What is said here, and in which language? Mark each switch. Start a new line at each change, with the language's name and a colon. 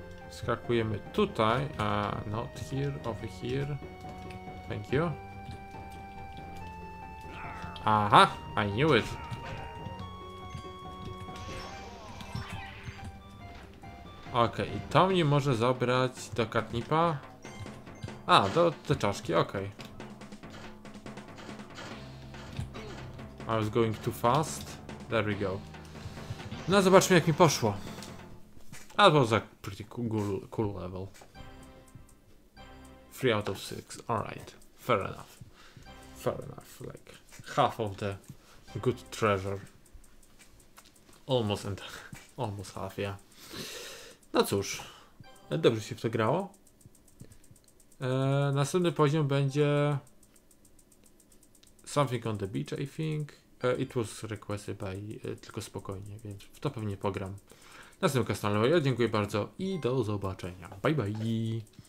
Polish: Skakujemy tutaj.
English: Not here, over here. Thank you. Aha, I knew it.
Polish: Okej, okay, i to mnie może zabrać do katnipa. A, do czaszki, okej.
English: Okay. I was going too fast. There we go.
Polish: No, zobaczmy, jak mi poszło.
English: That was a pretty cool level. 3 out of 6, alright. Fair enough. Fair enough, like half of the good treasure. Almost half, yeah.
Polish: No cóż, dobrze się w to grało. Następny poziom będzie Something on the Beach,
English: I think. It was requested by
Polish: tylko spokojnie, więc w to pewnie pogram. Następny kastanowy, ja dziękuję bardzo i do zobaczenia. Bye bye!